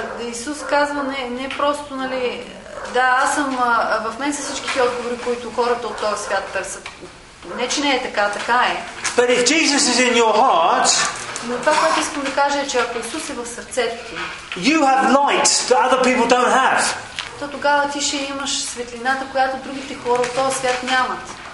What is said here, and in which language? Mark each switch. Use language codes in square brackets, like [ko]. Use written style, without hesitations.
[bg] Исус казва не просто, нали, да, аз съм в мен са всичките отговори, които хората от този свят търсят. Не, че не е така, така е. [en] But if Jesus is in your heart, [bg] но това, което искам да кажа, е, че ако Исус е в сърцето ти, [en] you have light that other people don't have. [bg] То тогава ти ще имаш светлината, която другите хора в този свят нямат.